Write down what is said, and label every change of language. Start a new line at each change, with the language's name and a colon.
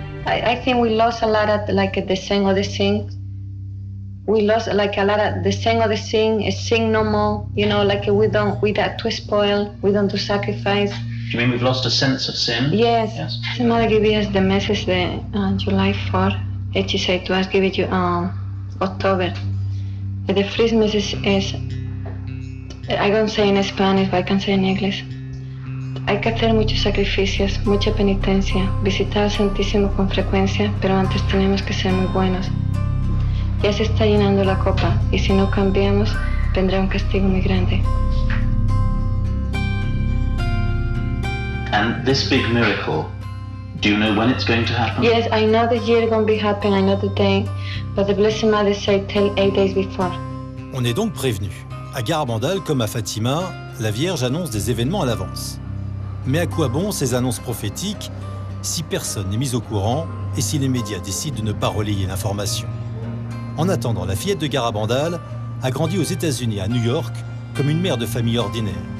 English: I think we lost a lot at like the sing of the sing. We lost like a lot of the sing of the sing, a sing no more, you know, like we don't to spoil, we don't do sacrifice. Do you mean we've lost a sense of sin? Yes. Yes. Mother gave us the message that July 4th, and she said to us, give it you October. And the first message is, I don't say in Spanish, but I can say in English.
Spanish: Hay que hacer muchos sacrificios, mucha penitencia, visitar al Santísimo con frecuencia, pero antes tenemos que ser muy buenos. Ya se está llenando la copa, y si no cambiamos, vendrá un castigo muy grande.
English: And this big miracle, do you know when it's going to happen? Yes, I know the year is going to happen, I know the day, but the Blessed Mother said tell 8 days before.
French: On est donc prévenu. À Garabandal, comme à Fatima, la Vierge annonce des événements à l'avance. Mais à quoi bon ces annonces prophétiques si personne n'est mis au courant et si les médias décident de ne pas relayer l'information? En attendant, la fillette de Garabandal a grandi aux États-Unis, à New York, comme une mère de famille ordinaire.